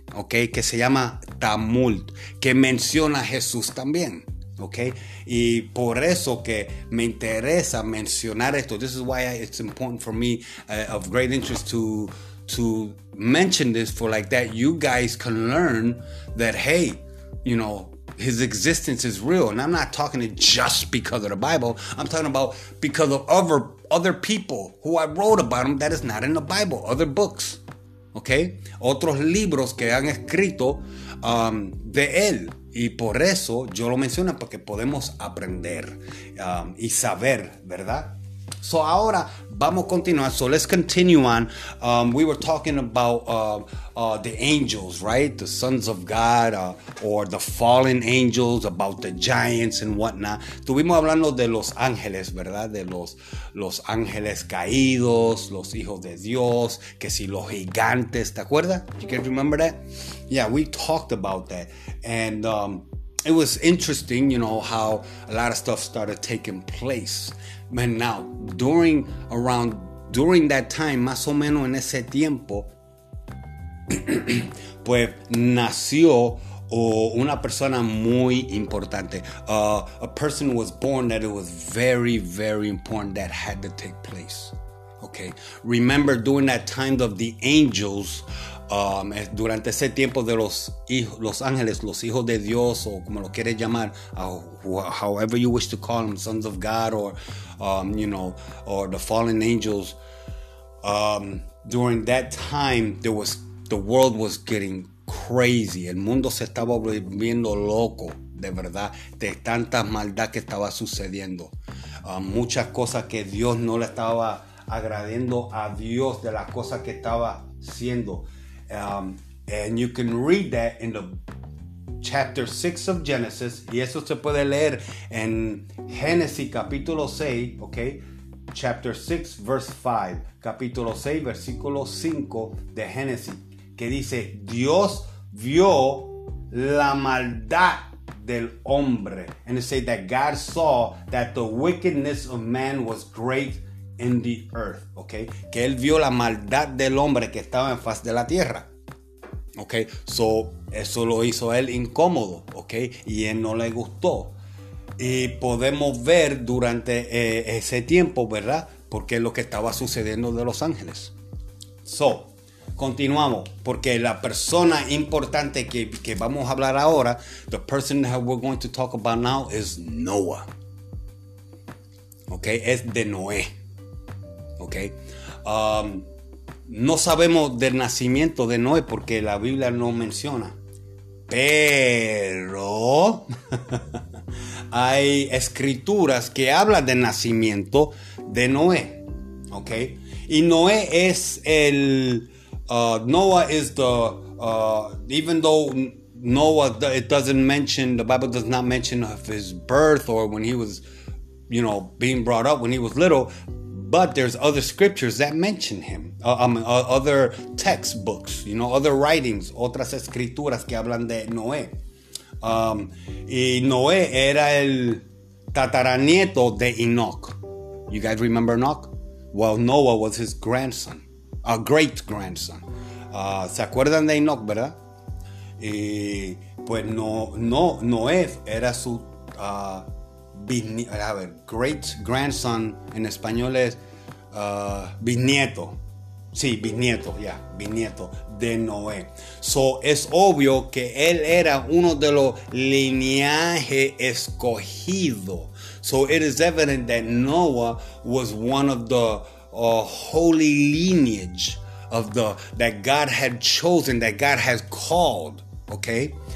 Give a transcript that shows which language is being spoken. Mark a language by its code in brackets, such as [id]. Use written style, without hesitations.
[es] Okay, que se llama Talmud, que menciona a Jesús también, okay? Y por eso que me interesa mencionar esto. [en] This is why it's important for me, of great interest to mention this, for like that you guys can learn that, hey, you know, his existence is real. And I'm not talking it just because of the Bible. I'm talking about because of other people who I wrote about him that is not in the Bible, other books. [es] Okay, otros libros que han escrito de él, y por eso yo lo menciono, porque podemos aprender y saber, ¿verdad? [en] So [es] ahora vamos a continuar. [en] So let's continue on. We were talking about the angels, right? The sons of God, or the fallen angels, about the giants and whatnot. [es] Estuvimos hablando de los ángeles, ¿verdad? De los ángeles caídos, los hijos de Dios, que si los gigantes, ¿te acuerdas? [en] You can remember that? Yeah, we talked about that. And it was interesting, you know, how a lot of stuff started taking place. And now, during that time, [es] más o menos en ese tiempo, pues nació una persona muy importante. [en] A person was born that it was very, very important that had to take place. Okay. Remember, during that time of the angels, [es] durante ese tiempo de los ángeles, los hijos de Dios, o como lo quieres llamar, [en] however you wish to call them, sons of God, or you know, or the fallen angels, during that time the world was getting crazy. [es] El mundo se estaba volviendo loco, de verdad, de tanta maldad que estaba sucediendo. Muchas cosas que Dios no le estaba agradando a Dios, de las cosas que estaba haciendo. [en] And you can read that in the chapter 6 of Genesis. [es] Y eso se puede leer en Génesis capítulo 6, okay? [en] Chapter 6, verse 5. [es] Capítulo 6, versículo 5 de Génesis. Que dice, Dios vio la maldad del hombre. [en] And it says that God saw that the wickedness of man was great in the earth, okay? [es] Que él vio la maldad del hombre que estaba en faz de la tierra. Okay, so eso lo hizo él incómodo, okay, y él no le gustó. y podemos ver durante ese tiempo, ¿verdad? Porque es lo que estaba sucediendo de los ángeles. [en] So, [es] continuamos, porque la persona importante que vamos a hablar ahora, [en] the person that we're going to talk about now is Noah. [es] Okay, es de Noé. Okay. No sabemos del nacimiento de Noé porque la Biblia no menciona. Pero hay escrituras que hablan del nacimiento de Noé. Okay. Y Noé es el [en] Noah is the even though Noah it doesn't mention, the Bible does not mention of his birth or when he was, you know, being brought up when he was little, but there's other scriptures that mention him. Other textbooks, you know, other writings, [es] otras escrituras que hablan de Noé. Y Noé era el tataranieto de Enoch. [en] You guys remember Enoch? Well, Noah was his grandson, a great grandson. [es] ¿Se acuerdan de Enoch, verdad? Y pues Noé era su [en] great grandson. [es] En español es bisnieto. Sí, bisnieto, ya, bisnieto de Noé. So, es obvio que él era uno de los linajes escogidos. [en] So, it is evident that Noah was one of the holy lineage of the that God had chosen, that God has called, okay?